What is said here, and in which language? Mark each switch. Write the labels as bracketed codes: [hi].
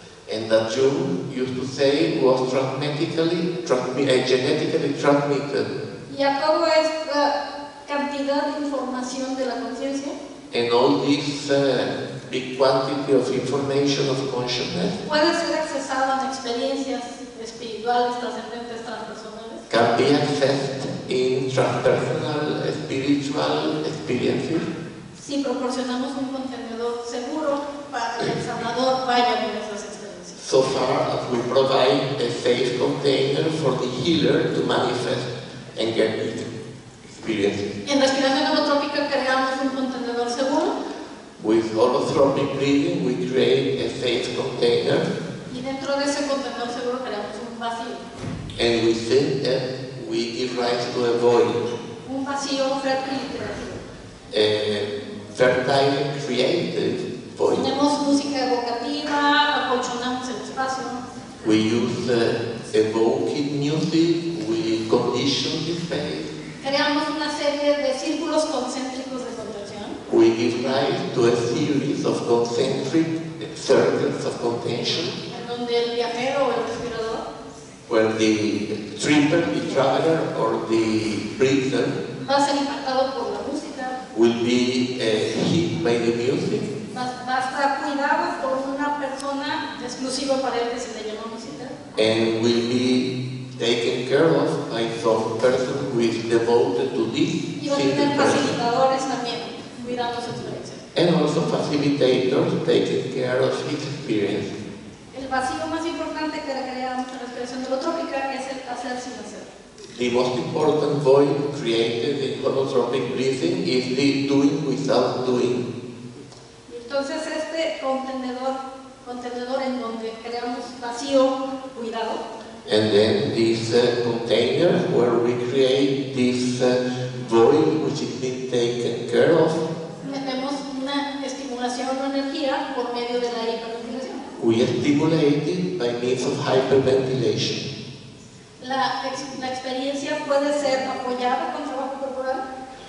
[en] And that Jung used to say was genetically transmitted. [es] Y a todo esta cantidad de información de la conciencia. [en] And all this big quantity of information of consciousness. [es] Puede ser accesado en experiencias espirituales, trascendentes, transpersonales. [en] Can be accessed in transpersonal, spiritual experiences. [es] Si proporcionamos un contenedor seguro para el sanador vaya con esas experiencias. [en] So far as we provide a safe container for the healer to manifest and get it experience. [es] En respiración holotrópica creamos un contenedor seguro. [en] With holotropic breathing we create a safe container. [es] Y dentro de ese contenedor seguro creamos un vacío. [en] And within that we give rise to a void. [es] Un vacío fértil y creativo. [en] A fertile and creative. [es] Ponemos música evocativa, acolchonamos el espacio. [en] We use evoking music, we condition the space. [es] Creamos una serie de círculos concéntricos de contención. [en] We give rise to a series of concentric circles of contention. [es] En donde el viajero o el respirador. [en] Where the tripper, the traveler, or the breather. [es] Va a ser impactado por la música. [en] Will be hit by the music. [es] Va a estar cuidado por una persona exclusiva para él que se le llama visita. [en] And will be taken care of by some person who is devoted to this. [es] Y va a tener facilitadores también cuidando su experiencia. [en] And also facilitators taking care of his experience. [es] El vacío más importante que crea la respiración holotrópica es el hacer sin hacer. [en] The most important void created in holotropic breathing is the doing without doing. [es] Entonces este contenedor en donde creamos vacío, cuidado. [en] And then this container where we create this void which is being taken care of. [es] Metemos una estimulación o energía por medio de la hiperventilación. [en] We stimulate it by means of hyperventilation. [es] La experiencia puede ser apoyada con trabajo corporal.